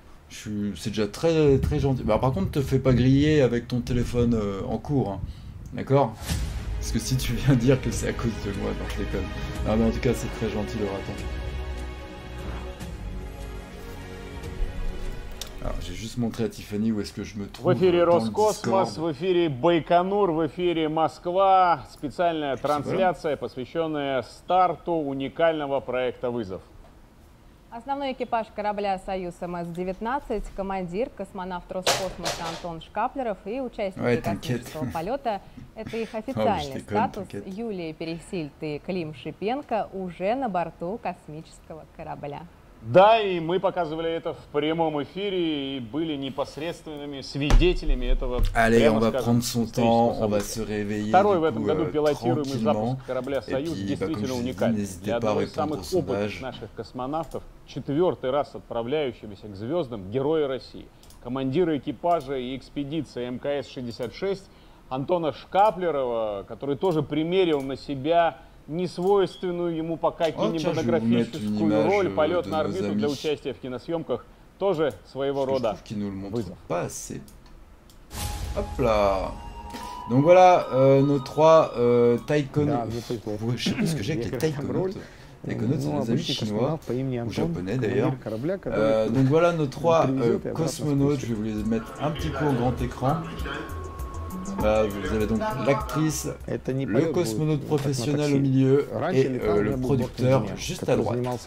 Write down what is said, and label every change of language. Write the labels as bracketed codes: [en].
[fr] C'est déjà très, très gentil. Bah, par contre, ne te fais pas griller avec ton téléphone en cours. D'accord? Parce que si tu viens dire que c'est à cause de moi, non, je déconne. Non, mais en tout cas, c'est très gentil, le raton. Alors, j'ai juste montré à Tiffany où est-ce que je me trouve. [ru] В эфире Роскосмос, в эфире Байконур, в эфире Москва. Специальная трансляция, посвященная старту уникального проекта «Вызов». Основной экипаж корабля «Союз МС-19», командир, космонавт Роскосмоса Антон Шкаплеров и участники космического полета. Это их официальный статус. Юлия Пересильд и Клим Шипенко уже на борту космического корабля. Да, и мы показывали это в прямом эфире и были непосредственными свидетелями этого. [fr] Allez, on va prendre son temps, on va se réveiller. [ru] Второй в этом году пилотируем и запуск корабля «Союз» действительно уникальный. Для одного из самых опытных наших космонавтов, четвертый раз отправляющимися к звездам, герои России, командиры экипажа и экспедиции МКС-66 Антона Шкаплерова, который тоже примерил на себя несвойственную ему пока кинематографическую роль, полет на орбиту для участия в киносъемках, тоже своего рода вызов. [fr] Hop là. Donc voilà, nos trois tycoons. Je sais plus ce que j'ai avec les tycoons. [ru] Таконауты, ну, назовите чинуа, по имени Антон, japonais, командир корабля, который... [fr] Donc voilà nos trois cosmonautes, je vais vous les mettre un petit peu au grand écran. Vous avez donc l'actrice, le cosmonaute professionnel au milieu et le producteur juste à droite.